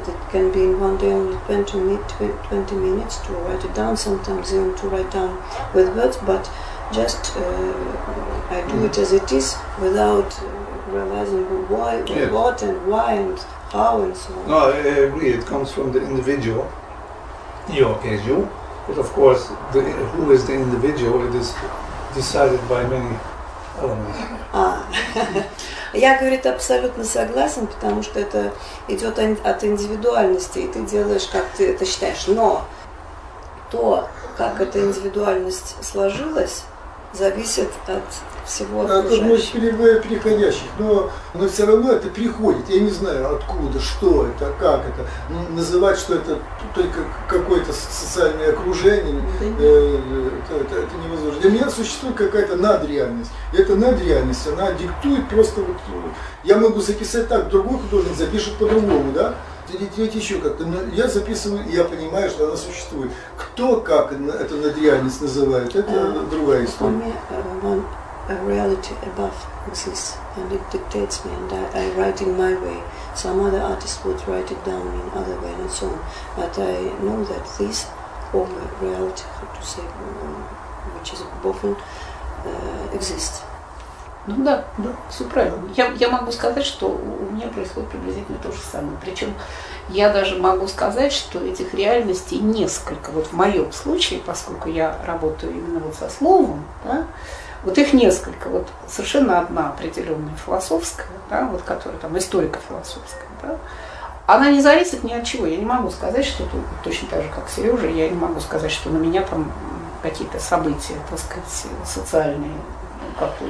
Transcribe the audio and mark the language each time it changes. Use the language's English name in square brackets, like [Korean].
[English] It can be in one day only 20 minutes to write it down, sometimes even to write down with words, but just I do it as it is without realizing why, what and why and how and so on. No, I agree. It comes from the individual, your case, you. But of course, who is the individual, it is decided by many elements. [Russian] Я, говорит, абсолютно согласен, потому что это идет от индивидуальности, и ты делаешь, как ты это считаешь. Но то, как эта индивидуальность сложилась, зависит от всего окружающего. От мыслей приходящих, но все равно это приходит. Я не знаю, откуда, что это, как это. Называть, что это только какое-то социальное окружение, это невозможно. Для меня существует какая-то надреальность. И эта надреальность, она диктует просто... Вот, я могу записать так, другой художник запишет по-другому, да? Третий еще как-то. Но я записываю, я понимаю, что она существует. Кто как эту надреальность называет, это другая история. [English] A reality above exists, and it dictates me, and I write in my way. Some other artists would write it down in other way, and so on. But I know that this over reality, how to say, which is above, exists. [Russian] Ну да, да, все правильно. Я могу сказать, что у меня происходит приблизительно то же самое. Причем я даже могу сказать, что этих реальностей несколько. Вот в моем случае, поскольку я работаю именно вот со словом, да. Вот их несколько, вот совершенно одна определенная философская, да, вот которая там историко-философская, да, она не зависит ни от чего. Я не могу сказать, что тут, точно так же, как Сережа, я не могу сказать, что на меня там какие-то события, так сказать, социальные, как-то.